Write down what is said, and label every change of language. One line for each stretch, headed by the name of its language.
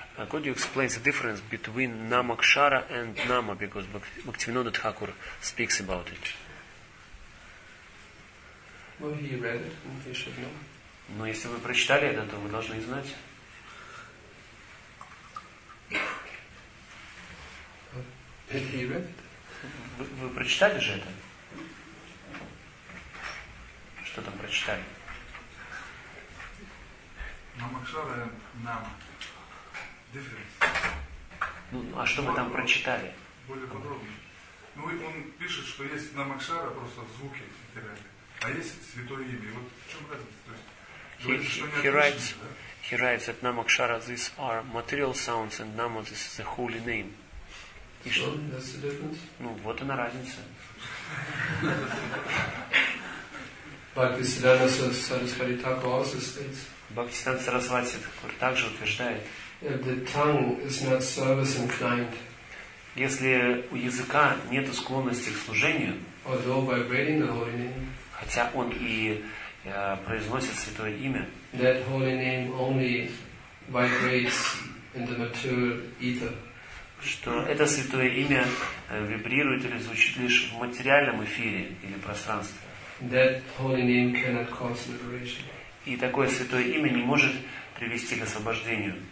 English: Could you explain the difference between Namakshara and Nama, because Bhaktivinoda Thakur speaks about it? Well, he read it, and he should know.
Russian: Но если вы прочитали это, то вы должны знать.
English: Did he read it?
Russian: Вы прочитали же это? Что там прочитали? Намакшара и Нама. Ну, а что вы там прочитали? Более подробно. Ну, он пишет, что есть намакшара, просто звуки материальные, а есть святое имя. И вот в чем разница? То есть, говорится, что не отличается, да?
English: He writes that namakshara, these are material sounds, and nama, this is the holy name.
Russian: И что?
English: That's the difference.
Russian: Ну, вот она разница.
English: Bhaktisiddhanta Sarasvati Thakur also states.
Russian: Bhaktisiddhanta Sarasvati Thakur также утверждает.
English: If the tongue is not service inclined,
Russian: если у языка нет склонности к служению,
English: although vibrating the holy name,
Russian: хотя он и произносит святое имя,
English: that holy name only vibrates in the material ether,
Russian: что это святое имя вибрирует или звучит лишь в материальном эфире или пространстве,
English: that holy name cannot cause liberation,
Russian: И такое святое имя не может привести к освобождению.